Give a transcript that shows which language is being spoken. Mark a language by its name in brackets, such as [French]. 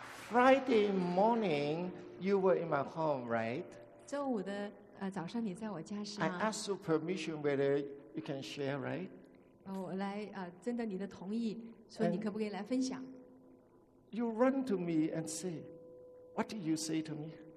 [English] Friday morning, you were in my home, right? [Chinese] 周五的, 早上你在我家是吗? [English] I asked you permission whether you can share, right? [Chinese] 我来, 征得你的同意, 说你可不可以来分享? [English] You run to me and say, what do you say to me?